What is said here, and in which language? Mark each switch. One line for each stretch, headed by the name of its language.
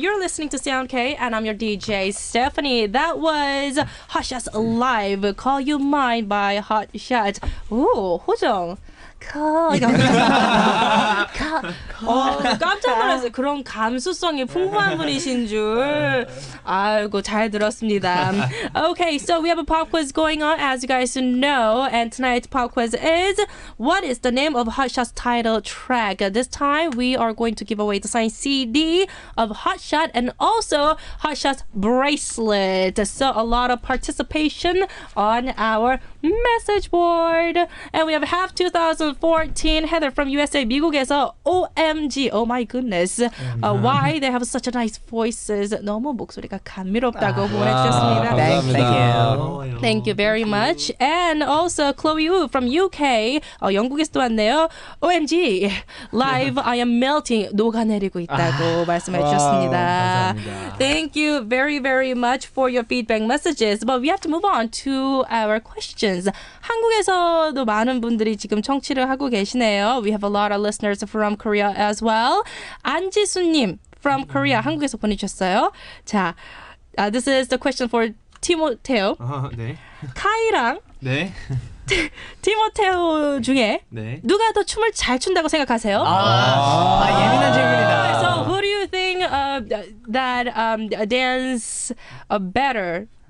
English: You're listening to Sound K, and I'm your DJ, Stephanie. That was Hotshot's Live, Call You Mine by Hotshot. Ooh, 호정. Call.
Korean: 깜짝 놀라서 그런 감수성이 풍부한 분이신 줄 아이고 잘 들었습니다.
English: Okay, so we have a pop quiz going on, as you guys know, and tonight's pop quiz is what is the name of Hotshot's title track? This time we are going to give away the signed CD of Hotshot and also Hotshot's bracelet. So a lot of participation on our message board, and we have half 2014 Heather from USA,
Korean: 미국에서
English: OMG, oh my goodness, why they have such a nice voices.
Korean: 너무 목소리가 감미롭다고 보내주셨습니다.
English: Thank you. Thank you very much. And also Chloe Wu from UK,
Korean: 영국에서 왔네요.
English: OMG, live, I am melting,
Korean: 녹아내리고 있다고 말씀해주셨습니다.
English: Thank you very, very much for your feedback messages. But we have to move on to our questions.
Korean: 한국에서도 많은 분들이 지금 청취를 하고 계시네요.
English: We have a lot of listeners from Korea as well. 안지수님 from Korea,
Korean: 한국에서 보내주셨어요.
English: 자, this is the question for 티모테오.
Korean: 네. 카이랑 네. 티모테오 중에 네. 누가 더 춤을 잘 춘다고 생각하세요? 아, 예민한 질문이다.
English: So who do you think that dance better?